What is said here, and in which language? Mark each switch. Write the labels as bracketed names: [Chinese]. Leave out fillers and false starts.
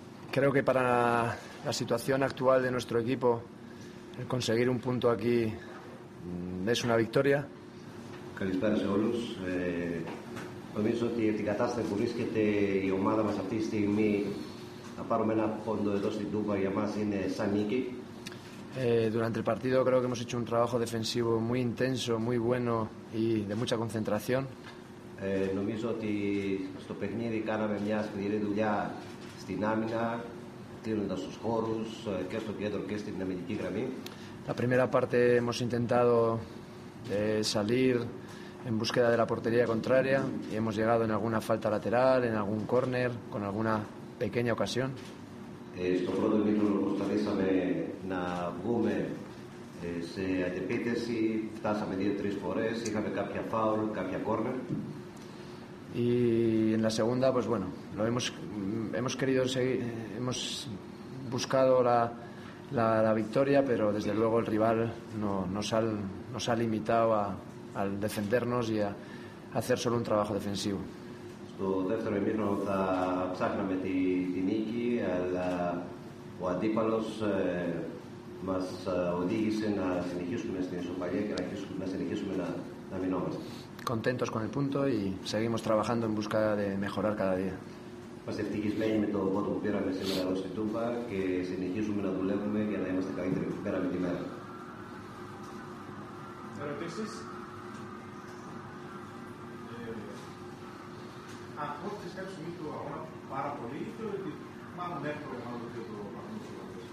[Spanish] Creo que para la situación actual de nuestro equipo, el conseguir un punto aquí es una victoria. [Greek] Καλησπέρα σε όλους. Νομίζω ότι για την κατάσταση που βρίσκεται η ομάδα μας αυτή τη στιγμή, να πάρουμε ένα πόντο εδώ στην Τούμπα για μας είναι σαν νίκη. [Spanish] Durante el partido creo que hemos hecho un trabajo defensivo muy intenso, muy bueno y de mucha concentración. [Greek] Νομίζω ότι στο παιχνίδι κάναμε μια σκληρή δουλειά στην άμυνα, κλείνοντας τους χώρους και στο κέντρο και στην αμυντική γραμμή. [Spanish] La primera parte hemos intentado salir en búsqueda de la portería contraria y hemos llegado en alguna falta lateral, en algún córner, con alguna pequeña ocasión. [Greek] Στο πρώτο μήνυμα προσπαθήσαμε να βγούμε σε αντεπίθεση, φτάσαμε 2-3 φορές, είχαμε κάποια φάουλ, κάποια κόρνερ. [Spanish] Y en la segunda, pues bueno, lo hemos querido seguir, hemos buscado la victoria, pero desde luego el rival nos ha limitado al defendernos y a hacer solo un trabajo defensivo. [Greek] Στο δεύτερο μήνυμα θα ψάχναμε τη νίκη, αλλά ο αντίπαλος μας οδήγησε να συνεχίσουμε στην ισοπαλία και να συνεχίσουμε να μηνόμαστε. [Spanish] Contentos con el punto y seguimos trabajando en busca de mejorar cada día. [Greek] Είμαστε ευτυχισμένοι με το πόντο που πήραμε σήμερα εδώ στην Τούμπα και συνεχίζουμε να δουλεύουμε για να είμαστε καλύτεροι πέρα με τη μέρα. Ερωτήσεις? Αγχώθηκες κάποια στιγμή του αγώνα πάρα πολύ ή θεωρείτε ότι μάλλον εύκολο να το πιο το